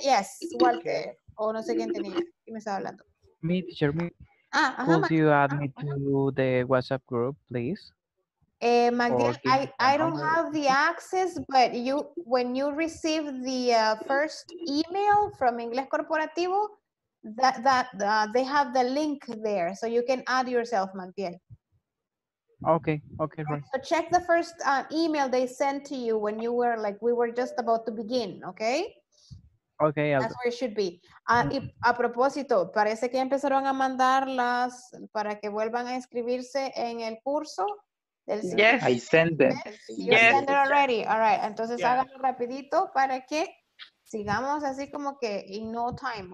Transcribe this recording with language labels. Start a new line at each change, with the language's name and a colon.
Spanish: Yes, igual que, o no sé quién tenía, ¿quién me estaba hablando?
English: Me, teacher, me. Could you add me to the WhatsApp group, please? Magdalena, I don't have the access, but you, when you receive the first email from Ingles Corporativo, they have the link there, so you can add yourself, Magdalena. Okay, okay, right. So check the first email they sent to you when you were, like, we were just about to begin, okay? Okay, that's where it should be.
Spanish: Y a propósito, parece que empezaron a mandarlas para que vuelvan a inscribirse en el curso.
English: Yes, I sent them. You sent it already. All right.
Spanish: Entonces háganlo rapidito para que sigamos así como que
English: in no time.